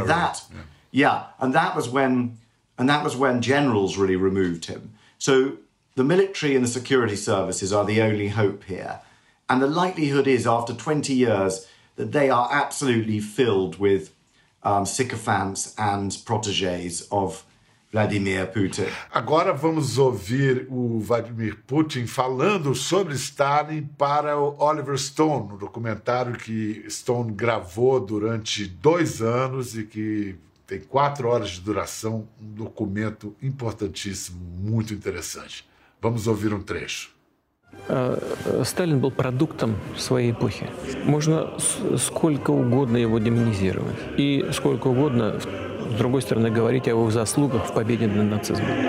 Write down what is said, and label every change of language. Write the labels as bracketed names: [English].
[English] And that, yeah, and that was when generals really removed him. So the military and the security services are the only hope here. And the likelihood is, after 20 years, that they are absolutely filled with sycophants and protégés of Vladimir Putin. [Portuguese] Agora vamos ouvir o Vladimir Putin falando sobre Stalin para o Oliver Stone, um documentário que Stone gravou durante 2 anos e que tem 4 horas de duração, um documento importantíssimo, muito interessante. Vamos ouvir um trecho. [Russian] Сталин был продуктом своей эпохи. Можно сколько угодно его демонизировать и сколько угодно, с другой стороны, говорить о его заслугах в победе над нацизмом.